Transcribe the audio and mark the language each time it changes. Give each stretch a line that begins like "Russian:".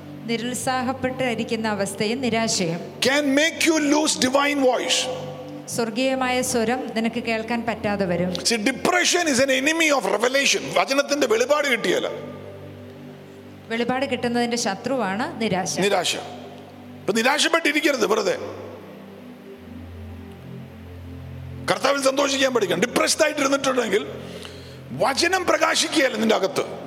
Malayalam: നിരുത്സാഹപ്പെട്ടിരിക്കുന്ന അവസ്ഥയും നിരാശയും
English: can make you lose divine voice.
Malayalam: സ്വർഗീയമായ സ്വരം നിനക്ക് കേൾക്കാൻ പറ്റാതെ വരും.
English: See, depression is an enemy of revelation.
Malayalam: വചനത്തിന്റെ വെളിപാട് കിട്ടിയല്ല, വെളിപാട് കിട്ടുന്നതിന്റെ ശത്രുവാണ് നിരാശ. നിരാശ. അപ്പോൾ നിരാശപ്പെട്ടിരിക്കരുത്, വെറുതെ കർത്താവിൽ സന്തോഷിക്കാൻ പഠിക്കണം. ഡിപ്രസ്ഡ് ആയിട്ട് ഇരുന്നിട്ടുണ്ടെങ്കിൽ വചനം പ്രകാശിക്കുകയല്ല നിന്റെ അകത്ത്.